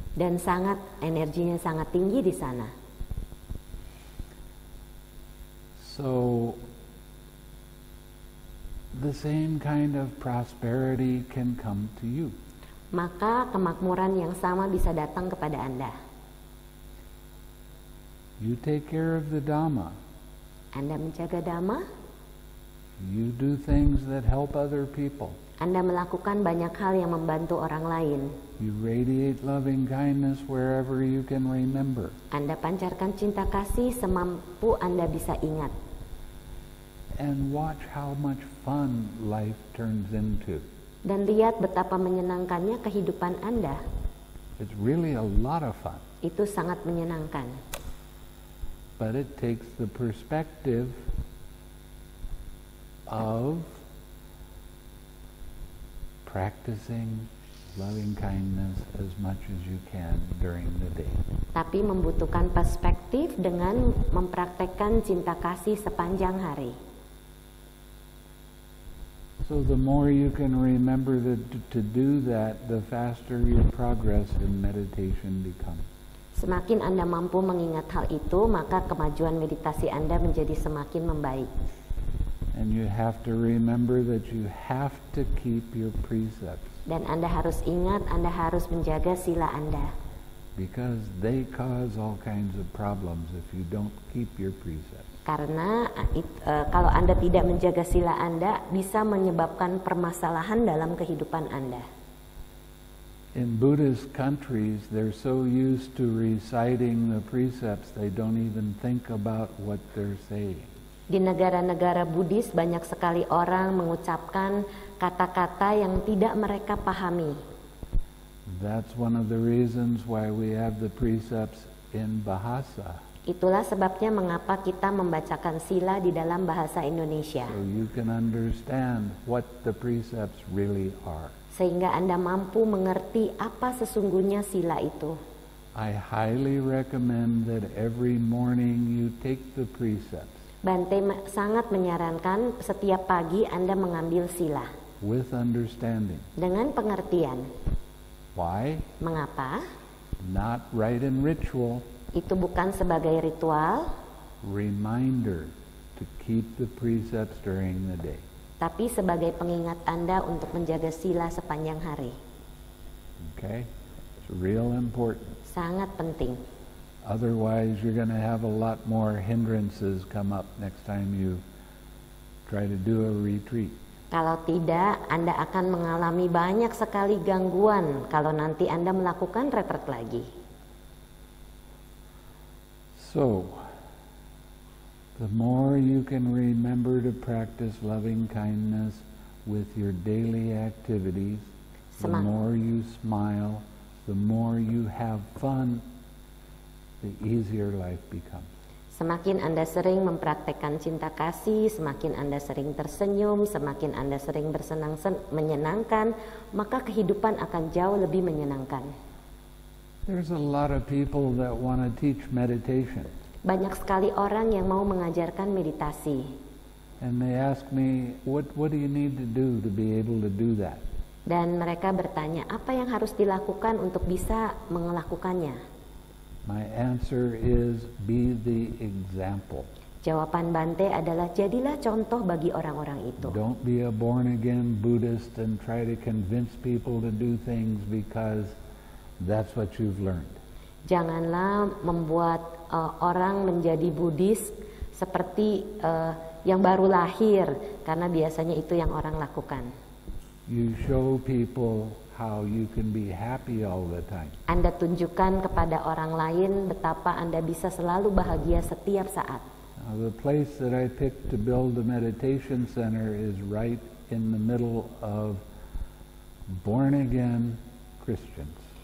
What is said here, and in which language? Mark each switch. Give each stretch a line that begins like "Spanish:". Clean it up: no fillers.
Indonesian: dan sangat energinya sangat tinggi di sana.
English: So the same kind of prosperity can come to you.
Indonesian: Maka kemakmuran yang sama bisa datang kepada Anda.
English: You take care of the Dhamma.
Indonesian: Anda menjaga Dhamma.
English: You do things that help other people.
Indonesian: Anda melakukan banyak hal yang membantu orang lain.
English: You radiate loving kindness wherever you can remember.
Indonesian: Anda pancarkan cinta kasih semampu Anda bisa ingat.
English: And watch how much fun life turns into.
Indonesian: Dan lihat betapa menyenangkannya kehidupan Anda.
English: It's really a lot of fun.
Indonesian: Itu sangat menyenangkan.
English: But it takes the perspective of practicing loving kindness as much as you can during the day.
Indonesian: Tapi membutuhkan perspektif dengan mempraktikkan cinta kasih sepanjang hari.
English: So the more you can remember to do that, the faster your progress in meditation becomes.
Indonesian: Semakin Anda mampu mengingat hal itu, maka kemajuan meditasi Anda menjadi semakin membaik.
English: And you have to remember that you have to keep your precepts.
Indonesian: Dan Anda harus ingat, Anda harus menjaga sila Anda.
English: Because they cause all kinds of problems if you don't keep your precepts.
Indonesian: Karena kalau Anda tidak menjaga sila Anda, bisa menyebabkan permasalahan dalam kehidupan Anda.
English: In Buddhist countries, they're so used to reciting the precepts, they don't even think about what they're saying.
Indonesian: Di negara-negara Buddhis, banyak sekali orang mengucapkan kata-kata yang tidak mereka pahami.
English: That's one of the reasons why we have the precepts in Bahasa.
Indonesian: Itulah sebabnya mengapa kita membacakan sila di dalam bahasa Indonesia.
English: So you can understand what the precepts really are.
Indonesian: Sehingga Anda mampu mengerti apa sesungguhnya sila itu.
English: I highly recommend that every morning you take the precepts.
Indonesian: Bante sangat menyarankan setiap pagi Anda mengambil sila.
English: With understanding.
Indonesian: Dengan pengertian.
English: Why?
Indonesian: Mengapa?
English: Not right in ritual.
Indonesian: Itu bukan sebagai ritual.
English: Reminder to keep the precepts during the day.
Indonesian: Tapi sebagai pengingat Anda untuk menjaga sila sepanjang hari.
English: Okay. It's real important.
Indonesian: Sangat penting.
English: Otherwise you're going to have a lot more hindrances come up next time you try to do a retreat.
Indonesian: Kalau tidak, Anda akan mengalami banyak sekali gangguan kalau nanti Anda melakukan retreat lagi.
English: So, the more you can remember to practice loving kindness with your daily activities, the more you smile, the more you have fun, the easier life becomes.
Indonesian: Semakin Anda sering mempraktikkan cinta kasih, semakin Anda sering tersenyum, semakin Anda sering menyenangkan, maka kehidupan akan jauh lebih menyenangkan.
English: There's a lot of people that want to teach meditation.
Indonesian: Banyak sekali orang yang mau mengajarkan meditasi.
English: And they ask me, what do you need to do to be able to do that?
Indonesian: Dan mereka bertanya, apa yang harus dilakukan untuk bisa melakukannya?
English: My answer is, be the example.
Indonesian: Jawaban Bante adalah, jadilah contoh bagi orang-orang itu.
English: Don't be a born again Buddhist and try to convince people to do things because that's what you've learned.
Indonesian: Janganlah membuat orang menjadi Buddhis seperti yang baru lahir, karena biasanya itu yang orang lakukan.
English: You show people how you can be happy all the time.
Indonesian: Anda tunjukkan kepada orang lain betapa Anda bisa selalu bahagia setiap saat.
English: Now, the place that I picked to build the meditation center is right in the middle of born again Christians.